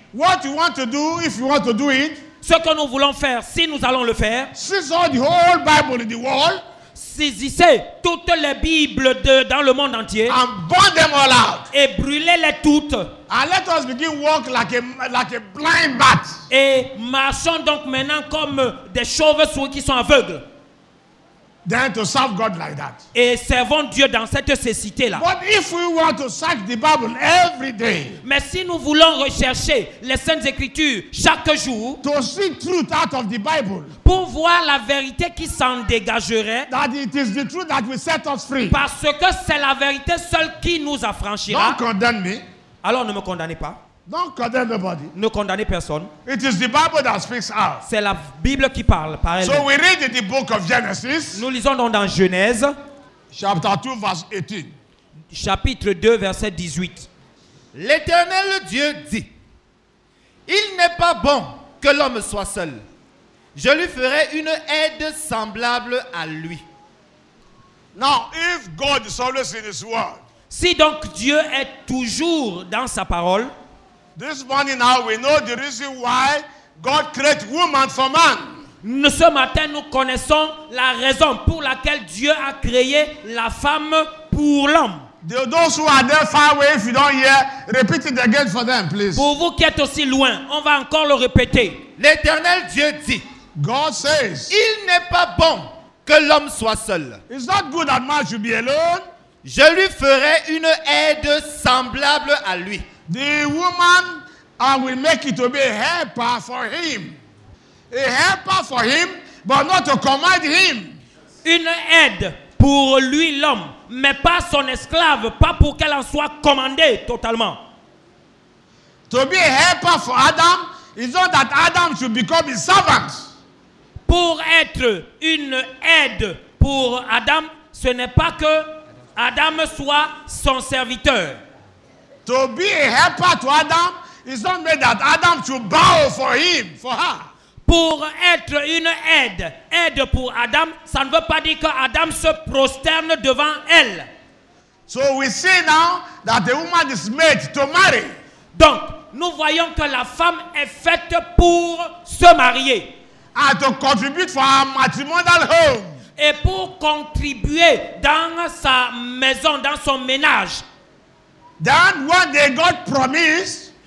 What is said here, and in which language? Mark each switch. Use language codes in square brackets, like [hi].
[en] What you want to do, if you want to do it. [fr] Ce que nous voulons faire, si nous allons le faire. Saisissez [en] the whole Bible in the world. [fr] Saisissez toutes les Bibles dans le monde entier. [en] And burn them all out. [fr] Et brûlez-les toutes. [en] And let us begin walk like a blind bat. [fr] Et marchons donc maintenant comme des chauves-souris qui sont aveugles. [en] Then to serve God like that. [fr] Et servons Dieu dans cette cécité-là. [en] But if we want to search the Bible every day, [fr] mais si nous voulons rechercher les Saintes Écritures chaque jour, [en] to see truth out of the Bible, [fr] pour voir la vérité qui s'en dégagerait, [en] that it is the truth that will set us free. [fr] Parce que c'est la vérité seule qui nous affranchira. [en] Don't condemn me. [fr] Alors ne me condamnez pas. [en] Don't condemn nobody. [fr] Ne condamnez personne. [en] It is the Bible that speaks out. [fr] C'est la Bible qui parle par elle. [en] So we read in the book of Genesis. [fr] Nous lisons donc dans Genèse. [en] Chapter 2, verse 18. [fr] Chapitre 2, verset 18. L'Éternel Dieu dit, il n'est pas bon que l'homme soit seul. Je lui ferai une aide semblable à lui. [en] Now, if God is always in his word. [fr] Si donc Dieu est toujours dans sa parole. [en] This morning now we know the reason why God created woman for man. [fr] Ce matin nous connaissons la raison pour laquelle Dieu a créé la femme pour l'homme. [en] Those who are there far away, if you don't hear, repeat it again for them, please. [fr] Pour vous qui êtes aussi loin, on va encore le répéter. L'Éternel Dieu dit. [en] God says. [fr] Il n'est pas bon que l'homme soit seul. [en] It's not good that man should be alone. [fr] Je lui ferai une aide semblable à lui. [en] The woman, I will make it to be a helper for him. A helper for him, but not to command him. [fr] Une aide pour lui, l'homme, mais pas son esclave, pas pour qu'elle en soit commandée totalement. [en] To be a helper for Adam, it's not that Adam should become his servant. [fr] Pour être une aide pour Adam, ce n'est pas que Adam soit son serviteur. [en] To be a helper to Adam is not meant that Adam should bow for him, for her. [fr] Pour être une aide pour Adam, ça ne veut pas dire que Adam se prosterne devant elle. [en] So we see now that the woman is made to marry. [fr] Donc, nous voyons que la femme est faite pour se marier. [en] And to contribute for her matrimonial home. [fr] Et pour contribuer dans sa maison, dans son ménage. [en] Then one day God promised.